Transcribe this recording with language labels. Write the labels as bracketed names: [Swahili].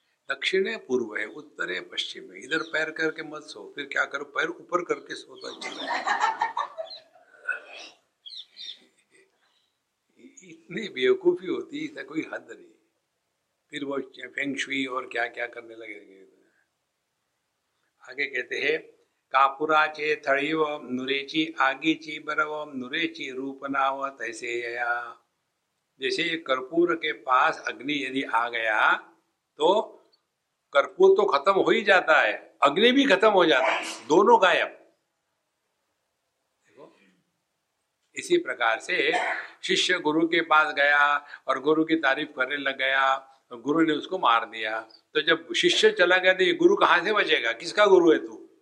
[Hindi] दक्षिण है, पूर्व है, उत्तर है, पश्चिम है, इधर पैर करके मत सो, फिर क्या करो, पैर ऊपर करके सो तो अच्छा। इतनी बेवकूफी होती है, इसका कोई हद नहीं। फिर वो फेंग शुई और क्या क्या करने लगेंगे। आगे कहते हैं, [Marathi] कापुराचे थळीव नुरेची आगीची बरव नुरेची रूपनाव तैसे या। [Hindi] जैसे कर्पूर के पास अग्नि यदि आ गया तो कर्पूर तो खत्म हो ही जाता है, अग्नि भी खत्म हो जाता है, दोनों गायब। इसी प्रकार से शिष्य गुरु के पास गया और गुरु की तारीफ करने लग गया, गुरु ने उसको मार दिया, तो जब शिष्य चला गया तो ये गुरु कहां से बचेगा, किसका गुरु है तू?